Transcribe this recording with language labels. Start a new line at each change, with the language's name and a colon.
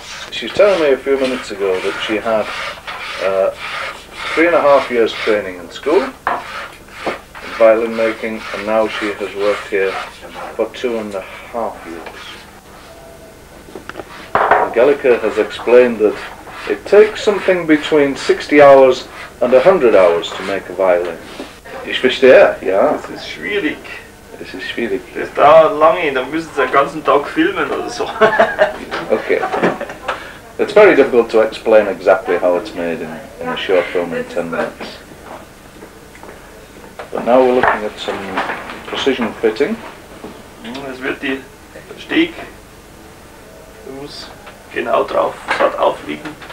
English: She was telling me a few minutes ago that she had 3.5 years training in school in violin making, and now she has worked here for 2.5 years. Angelica has explained that it takes something between 60 hours and 100 hours to make a violin.
German: Ich verstehe, ja. Es ist schwierig. Es ist schwierig. Das dauert lange, dann müssen Sie den ganzen Tag filmen oder so. Okay.
English: It's very difficult to explain exactly how it's made in a short film in 10 minutes. But now we're looking at some precision fitting.
German: Es wird die Steg, du musst genau drauf, gerade aufliegen.